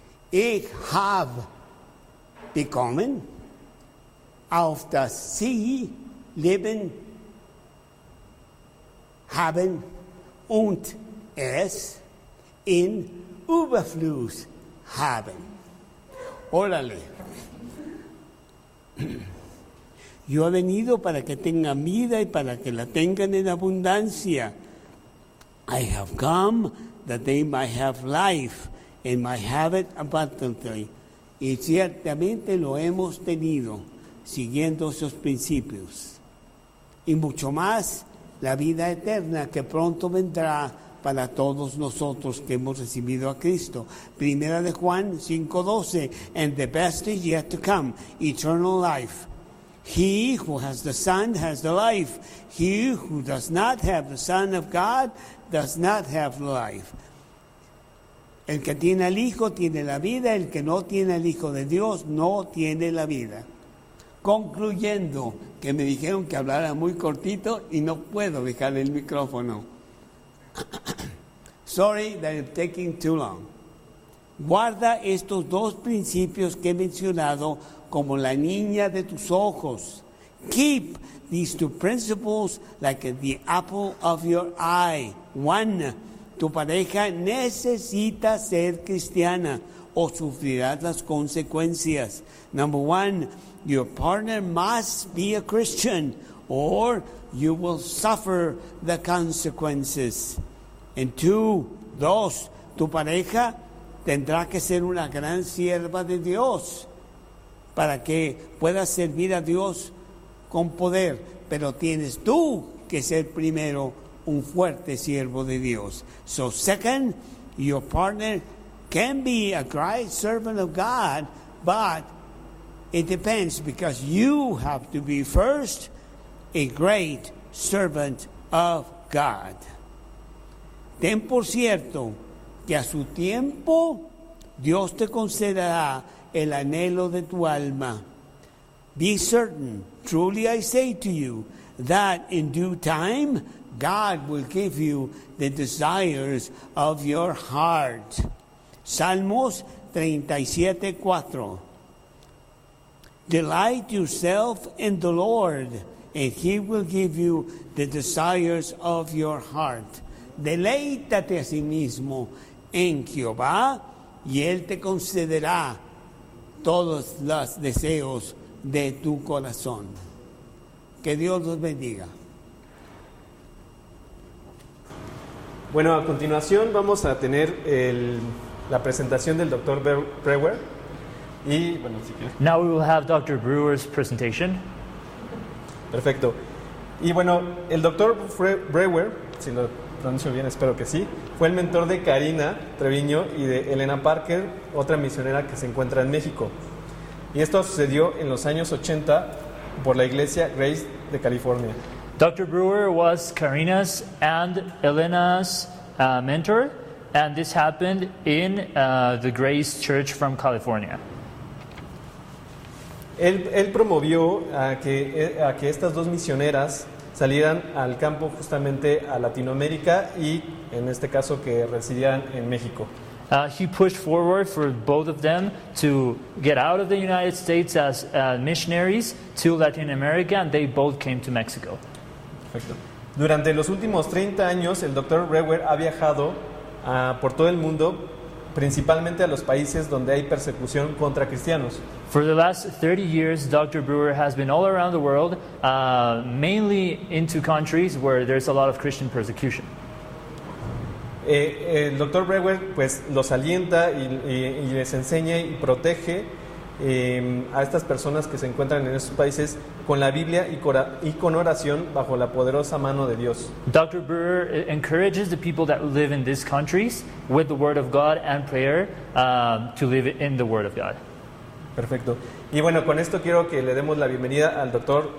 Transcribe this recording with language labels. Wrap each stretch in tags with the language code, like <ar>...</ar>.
<es>Ich habe bekommen, auf das Sie Leben haben und es in Überfluss haben. Órale. Yo he venido para que tengan vida y para que la tengan en abundancia.</es> <en>I have come that they might have life and might have it abundantly.</en> <es>Y ciertamente lo hemos tenido siguiendo esos principios. Y mucho más la vida eterna que pronto vendrá para todos nosotros que hemos recibido a Cristo. Primera de Juan</es> <en>5:12, and the best is yet to come, eternal life. He who has the Son has the life. He who does not have the Son of God does not have life.</en> <es>El que tiene al Hijo tiene la vida, el que no tiene al Hijo de Dios no tiene la vida. Concluyendo, que me dijeron que hablara muy cortito y no puedo dejar el micrófono.</es> <en>Sorry that I'm taking too long.</en> <es>Guarda estos dos principios que he mencionado como la niña de tus ojos.</es> <en>Keep these two principles like the apple of your eye.</en> <es>One, tu pareja necesita ser cristiana o sufrirás las consecuencias.</es> <en>Number one, your partner must be a Christian or you will suffer the consequences. And two,</en> <es>dos, tu pareja tendrá que ser una gran sierva de Dios para que puedas servir a Dios con poder. Pero tienes tú que ser primero un fuerte siervo de Dios.</es> <en>So second, your partner can be a great servant of God, but it depends because you have to be first a great servant of God.</en> <es>Ten por cierto que a su tiempo Dios te concederá el anhelo de tu alma.</es> <en>Be certain, truly I say to you, that in due time God will give you the desires of your heart. Salmos 37:4. Delight yourself in the Lord, and He will give you the desires of your heart.</en> <es>Deleítate a sí mismo en Jehová, y Él te concederá todos los deseos de tu corazón. Que Dios los bendiga. Bueno, a continuación vamos a tener la presentación del Dr. Brewer. Y, bueno, si quieres.</es> <en>Now we will have Dr. Brewer's presentation.</en> <es>Perfecto. Y bueno, el Dr. Brewer, si lo pronuncio bien, espero que sí, fue el mentor de Karina Treviño y de Elena Parker, otra misionera que se encuentra en México. Y esto sucedió en los años 80 por la iglesia Grace de California. Dr.</es> <en>Brewer was Karina's and Elena's mentor, and this happened in the Grace Church from California.</en> <es>Él promovió a que estas dos misioneras salieran al campo justamente a Latinoamérica y, en este caso, que residían en México.</es> <en>He pushed forward for both of them to get out of the United States as missionaries to Latin America, and they both came to Mexico.</en> <es>Perfecto. Durante los últimos 30 años, el Dr. Brewer ha viajado por todo el mundo principalmente a los países donde hay persecución contra cristianos.</es> <en>For the last 30 years, Dr. Brewer has been all around the world, mainly into countries where there's a lot of Christian persecution.</en> <es>El Dr. Brewer pues los alienta y les enseña y protege a estas personas que se encuentran en esos países con la Biblia y con oración bajo la poderosa mano de Dios.</es> <en>Dr. Brewer encourages the people that live in these countries with the word of God and prayer to live in the word of God.</en> <es>Perfecto. Y bueno, con esto quiero que le demos la bienvenida al Dr.</es>